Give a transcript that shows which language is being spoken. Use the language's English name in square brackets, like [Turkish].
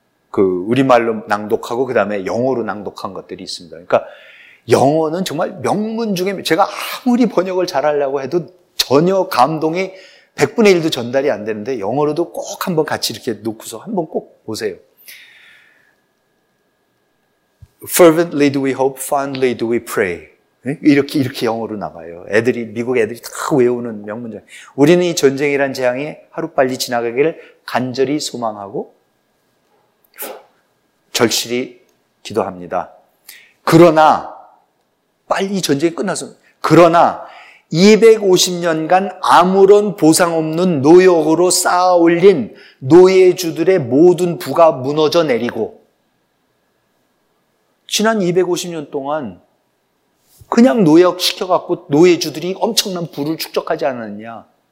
[Korean] 그 우리말로 낭독하고 그다음에 영어로 낭독한 것들이 있습니다. 그러니까 영어는 정말 명문 중에 제가 아무리 번역을 잘하려고 해도 전혀 감동이 100분의 1도 전달이 안 되는데 영어로도 꼭 한번 같이 이렇게 놓고서 한번 꼭 보세요. [English] Fervently do we hope, fondly do we pray. [Korean] 이렇게 영어로 나가요. 애들이 미국 애들이 다 외우는 명문장. 우리는 이 전쟁이란 재앙이 하루빨리 지나가기를 간절히 소망하고 절실히 기도합니다. 그러나 빨리 전쟁이 끝나서 그러나 250년간 아무런 보상 없는 노역으로 쌓아올린 노예주들의 모든 부가 무너져 내리고 지난 250년 동안 그냥 노역시켜갖고 노예주들이 엄청난 부를 축적하지 않았느냐.